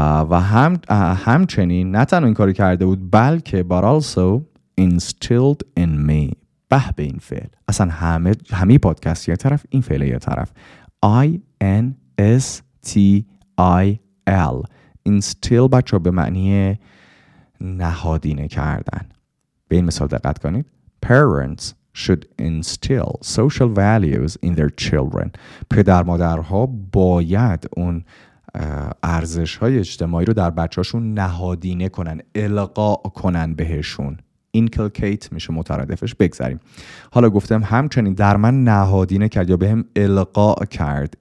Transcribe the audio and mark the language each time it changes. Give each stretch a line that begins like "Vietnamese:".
Persian: و همچنین نه تنها این کاری کرده بود، بلکه
English: but also instilled in me.
Persian: به این فعل اصلا همه پادکست یه طرف، این فعل یه طرف. I-N-S-T-I-L instill بچه به معنی نهادینه کردن. به این مثال دقت کنید.
English: parents should instill social values in their children.
Persian: پدر مادرها باید اون ارزش های اجتماعی رو در بچه هاشون نهادینه کنن، القا کنن بهشون. inculcate میشه مترادفش. بگذاریم. حالا گفتم همچنین در من نهادینه کرد یا به هم القا کرد.